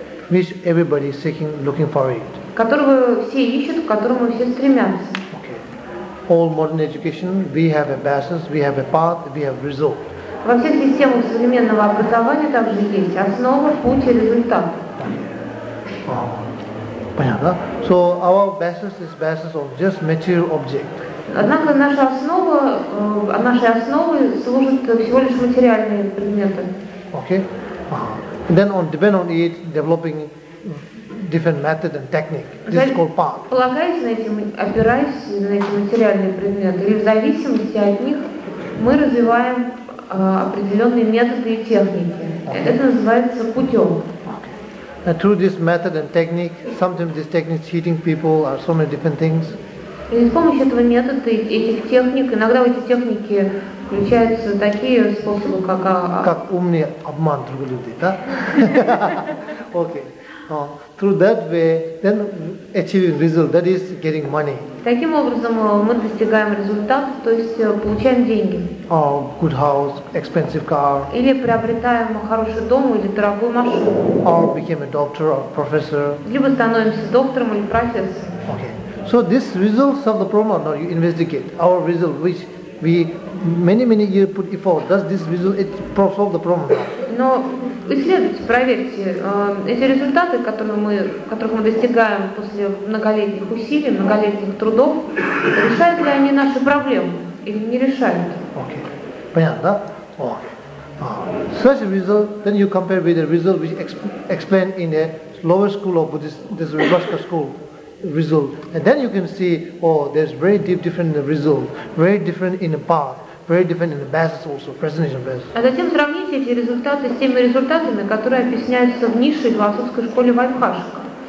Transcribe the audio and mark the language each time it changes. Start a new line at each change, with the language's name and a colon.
English: Which everybody is seeking, looking for it.
Russian: Которого все ищут, к которому все стремятся.
English: Okay. All modern education, we have a basis, we have a path, we have result.
Russian: Во всех системах современного образования также есть основа, путь и результат. Понятно.
English: So our basis is basis of just material object.
Russian: Однако нашей основой служат всего лишь материальные предметы.
English: Okay. And then on depend on it, developing different method and technique. This is called path.
Russian: Полагаясь на эти, опираясь на эти материальные предметы, или в зависимости от них, мы развиваем определенные методы и техники. Okay. Это называется путем.
English: Okay. And through this method and technique, sometimes this technique is hitting people or so many different things.
Russian: И с помощью этого метода и этих техник, иногда в эти техники включаются такие способы, как... Как умный обман других людей, да? Окей.
English: Through that way, then achieving result, that is getting money.
Russian: Таким образом мы достигаем результат, то есть получаем деньги.
English: Oh, good house, expensive car.
Russian: Или приобретаем хороший дом или дорогую машину.
English: Or became a doctor or professor.
Russian: Либо становимся доктором или профессором.
English: Okay. So this results of the problem, now you investigate our result, which we many years put before. Does this result it solve the problem?
Russian: Но исследуйте, проверьте эти результаты, которых мы достигаем после многолетних усилий, многолетних трудов, решают ли они наши проблемы или не решают? Okay, понятно, да? Okay.
English: Such a result, then you compare with the result which explained in a lower school of Buddhist, this Vibhashika school. Result, and then you can see, oh, there's very deep difference in the result, very different in the path, very different in the basis also, presentation basis.
Russian: А затем сравните эти результаты с теми результатами, которые объясняются в низшей философской школе Вайбхашика.